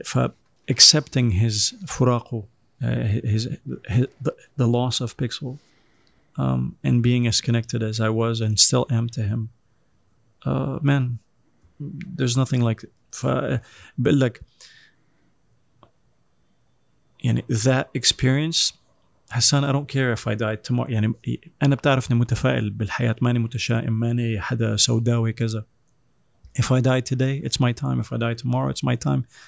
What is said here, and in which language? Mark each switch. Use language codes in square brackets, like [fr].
[en] ف accepting his فراقه his the loss of Pixel and being as connected as I was and still am to him man there's nothing like [ar] ف بقول لك يعني [en] that experience حسان I don't care if I die tomorrow. [ar] يعني أنا بتعرفني متفائل بالحياة ماني متشائم ماني حدا سوداوي كذا. [en] If I die today it's my time. If I die tomorrow it's my time.